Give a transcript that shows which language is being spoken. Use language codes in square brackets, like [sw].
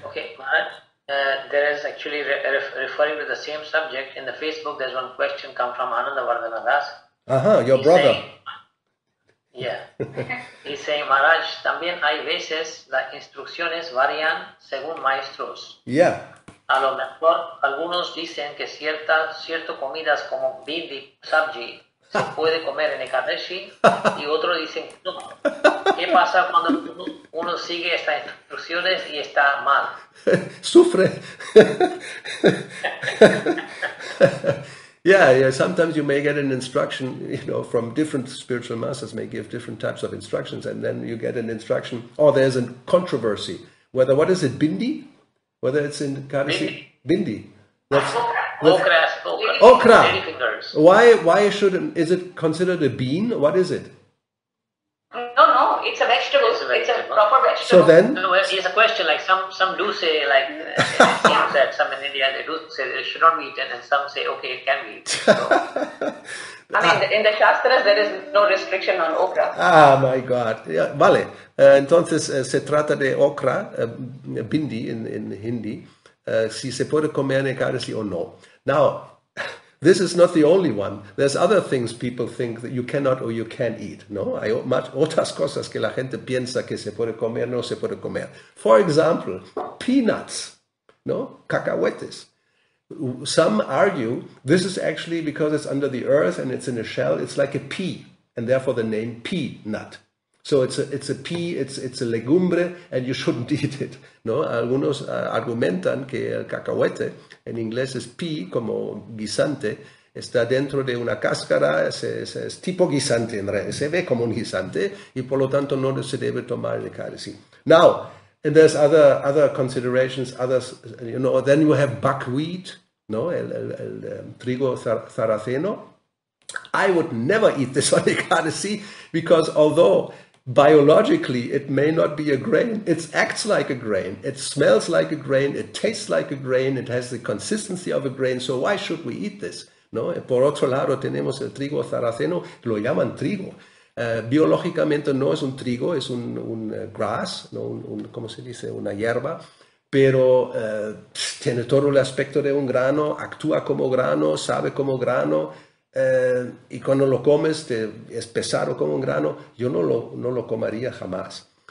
[en] Okay, Maharaj, there is actually, referring to the same subject, in the Facebook, there's one question come from Ananda Vardhanadas. He's brother. He's saying, [es] Maharaj, también hay veces las instrucciones varían según maestros. [en] Yeah. [es] A lo mejor, algunos dicen que ciertas comidas como bindi, sabji, se puede comer en Ekadashi, y otros dicen no. ¿Qué pasa cuando uno sigue estas instrucciones y está mal? Sufre. [en] sometimes you may get an instruction, you know, from different spiritual masters may give different types of instructions, and then you get an instruction, or there's a controversy, whether, what is it, bindi? Whether it's in Kadashi? Bindi. Okra. Why should, is it considered a bean? What is it? No, it's a vegetable. It's a proper vegetable. So then? It's a question, like some do say, like, some in India, they do say they should not be eaten, and some say, okay, it can be eaten. So, I mean, in the Shastras, there is no restriction on okra. Ah, my God. Yeah, [es] vale. Entonces, se trata de okra, bindi in Hindi. Si se puede comer en Ekadasi o no. [en] Now, this is not the only one. There's other things people think that you cannot or you can eat. [es] No, hay otras cosas que la gente piensa que se puede comer o no se puede comer. [en] For example, peanuts, no, [es] cacahuetes. [en] Some argue this is actually because it's under the earth and it's in a shell. It's like a pea, and therefore the name peanut. So it's a pea, it's a [es] legumbre, [en] and you shouldn't eat it. [es] No, algunos argumentan que el cacahuete, en inglés es pea, como guisante, está dentro de una cáscara, es tipo guisante en realidad, se ve como un guisante y por lo tanto no se debe tomar el cálice. [en] Now, and there's other considerations, others, you know, then you have buckwheat, no, [es] el trigo sarraceno. [en] I would never eat this on the cálice because although biologically it may not be a grain, it acts like a grain, it smells like a grain, it tastes like a grain, it has the consistency of a grain, so why should we eat this? [es] No, por otro lado tenemos el trigo sarraceno, lo llaman trigo. Biológicamente no es un trigo, es un [en] grass, [es] no, un ¿cómo se dice? Una hierba, pero tiene todo el aspecto de un grano, actúa como grano, sabe como grano, y cuando lo comes es pesado como un grano, yo no lo comería jamás.